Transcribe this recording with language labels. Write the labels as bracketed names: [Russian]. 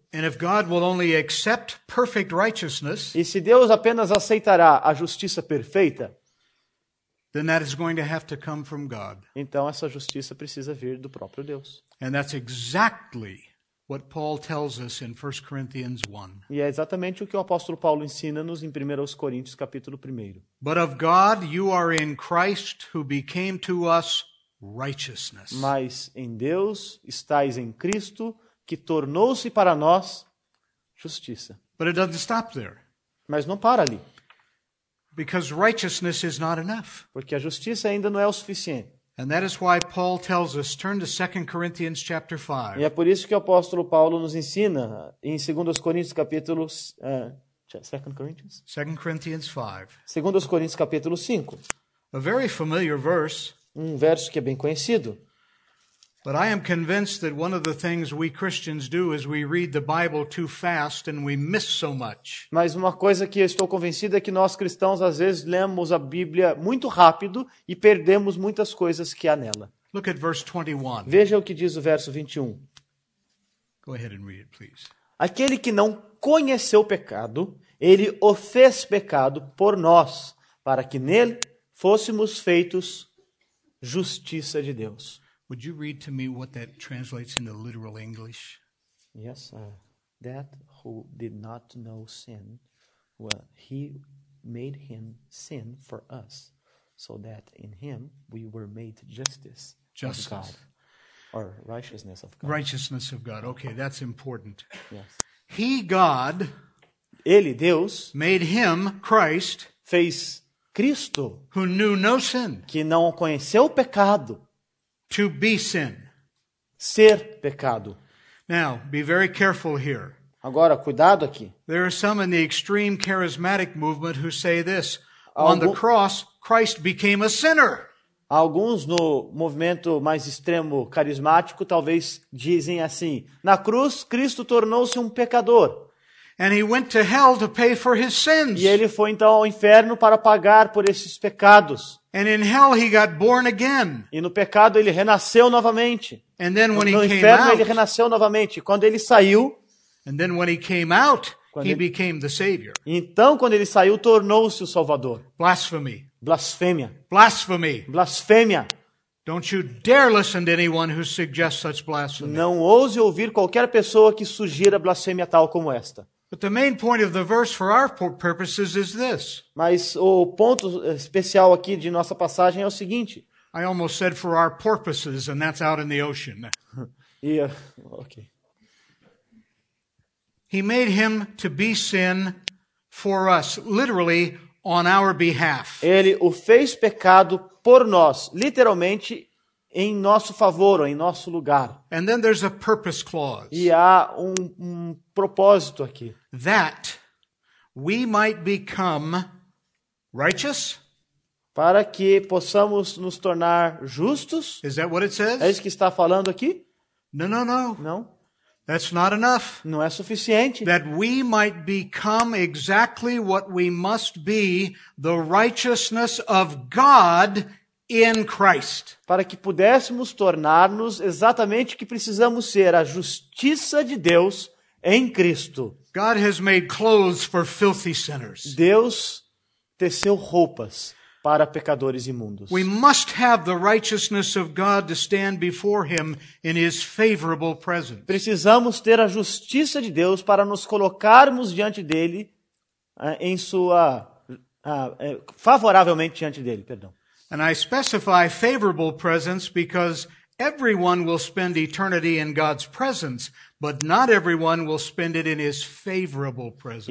[English] and if God will only accept perfect righteousness, [Portuguese] e se Deus apenas aceitará a justiça perfeita, [English] then that is going to have to come from God. [Portuguese] Então essa justiça precisa vir do próprio Deus. [English] And that's exactly what Paul tells us in 1 Corinthians 1. [Portuguese] E é exatamente o que o apóstolo Paulo ensina-nos em 1 Coríntios capítulo 1. [English] But of God you are in Christ who became to us righteousness. [Portuguese] Mas em Deus estáis em Cristo que tornou-se para nós justiça. [English] But it doesn't stop there. [Portuguese] Mas não para ali. [English] Because righteousness is not enough. [Portuguese] Porque a justiça ainda não é o suficiente. [English] And that is why Paul tells us, turn to 2 Corinthians chapter 5. [Portuguese] E é por isso que o apóstolo Paulo nos ensina em 2 Coríntios capítulo 2 Coríntios capítulo 5. [English] A very familiar verse. [Portuguese] Um verso que é bem conhecido. [English] But I am convinced that one of the things we Christians do is we read the Bible too fast and we miss so much. [Portuguese] Mas uma coisa que eu estou convencido é que nós cristãos às vezes lemos a Bíblia muito rápido e perdemos muitas coisas que há nela. [English] Look at verse 21. [Portuguese] Veja o que diz o verso 21. [English] Go ahead and read it, please. [Portuguese] Aquele que não conheceu o pecado, ele o fez pecado por nós, para que nele fôssemos feitos justiça de Deus. [English] Would you read to me what that translates into literal English? Yes, that who did not know sin, well, he made him sin for us, so that in him we were made justice, justice of God, or righteousness of God. Righteousness of God. Okay, that's important. Yes. He, God, [Portuguese] ele, Deus, [English] made him, Christ, [Portuguese] fez Cristo, [English] who knew no sin, [Portuguese] que não conheceu o pecado, [English] to be sin. [Portuguese] Ser pecado. [English] Now, be very careful here. [Portuguese] Agora, cuidado aqui. [English] There are some in the extreme charismatic movement who say this. On the cross, Christ became a sinner. [Portuguese] Alguns no movimento mais extremo carismático talvez dizem assim. Na cruz, Cristo tornou-se pecador. [English] And he went to hell to pay for his sins. [Portuguese] E ele foi então ao inferno para pagar por esses pecados. [English] And in hell he got born again. [Portuguese] E no pecado ele renasceu novamente. [English] And then when [Portuguese] no [English] he [Portuguese] inferno, [English] came out. [Portuguese] No inferno ele renasceu novamente. Quando ele saiu. [English] And then when he came out, he became the Savior. [Portuguese] Então quando ele saiu, tornou-se o Salvador. [English] Blasphemy. [Portuguese] Blasfêmia. [English] Blasphemy. [Portuguese] Blasfêmia. [English] Don't you dare listen to anyone who suggests such blasphemy. [Portuguese] Não ouse ouvir qualquer pessoa que sugira blasfêmia tal como esta. [English] But the main point of the verse for our purposes is this. [Portuguese] Mas o ponto especial aqui de nossa passagem é o seguinte. [English] I almost said for our purposes and that's out in the ocean. Okay. He made him to be sin for us, literally on our behalf. [Portuguese] Ele o fez pecado por nós, literalmente em nosso favor, em nosso lugar. [English] And then there's a purpose clause. [Portuguese] E há um propósito aqui. [English] That we might become righteous? [Portuguese] Para que possamos nos tornar justos? [English] Is that what it says? [Portuguese] É isso que está falando aqui? [English] No. [Portuguese] Não. [English] That's not enough. [Portuguese] Não é suficiente. [English] That we might become exactly what we must be, the righteousness of God in Christ. [Portuguese] Para que pudéssemos tornar-nos exatamente o que precisamos ser, a justiça de Deus em Cristo. [English] God has made clothes for filthy sinners. [Portuguese] Deus teceu roupas para pecadores imundos. [English] We must have the righteousness of God to stand before him in his favorable presence. [Portuguese] Precisamos ter a justiça de Deus para nos colocarmos diante dele em sua favoravelmente diante dele, perdão. [English] And I specify favorable presence because everyone will spend eternity in God's presence, but not everyone will spend it in his favorable presence.